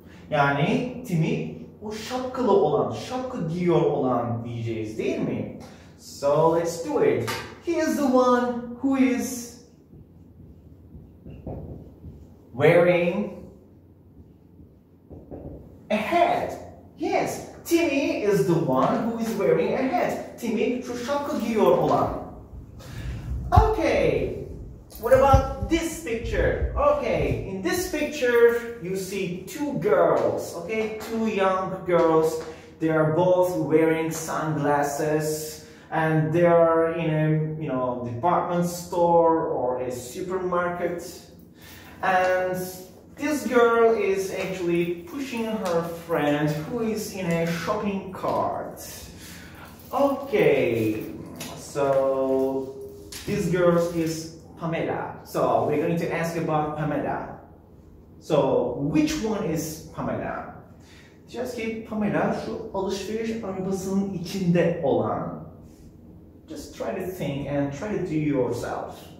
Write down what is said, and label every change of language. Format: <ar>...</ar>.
<tr>Yani Timmy o şapkalı olan, şapka giyiyor olan diyeceğiz, değil mi?</tr> <en>So let's do it. He is the one who is wearing a hat. Yes, Timmy is the one who is wearing a hat.</en> <tr>Timmy şu şapka giyiyor olan. Okay.</tr> <en>What about this picture? Okay, in this picture you see two girls, okay? Two young girls. They are both wearing sunglasses and they are in a, you know, department store or a supermarket. And this girl is actually pushing her friend who is in a shopping cart. Okay. So this girl is Pamela. So we're going to ask about Pamela. So which one is Pamela?</en> <tr>Just keep Pamela şu alışveriş arabasının içinde olan.</tr> <en>Just try to think and try to do yourself.</en>